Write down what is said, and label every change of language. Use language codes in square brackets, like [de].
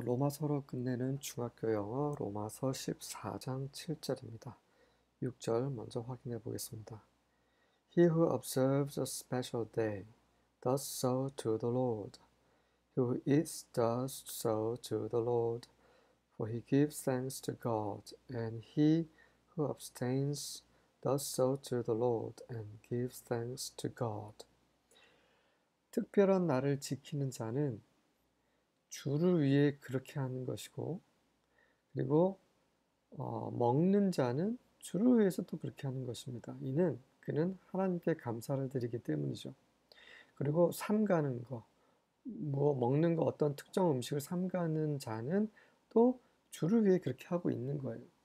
[ko] 로마서로 끝내는 중학교 영어 로마서 14장 7절입니다. 6절 먼저 확인해 보겠습니다. [en] He who observes a special day does so to the Lord. He who eats does so to the Lord, for he gives thanks to God, and he who abstains does so to the Lord and gives thanks to God. [ko] 특별한 날을 지키는 자는 주를 위해 그렇게 하는 것이고, 그리고 먹는 자는 주를 위해서도 그렇게 하는 것입니다. 이는 그는 하나님께 감사를 드리기 때문이죠. 그리고 삼가는 것, 뭐 먹는 것, 어떤 특정 음식을 삼가는 자는 또 주를 위해 그렇게 하고 있는 거예요.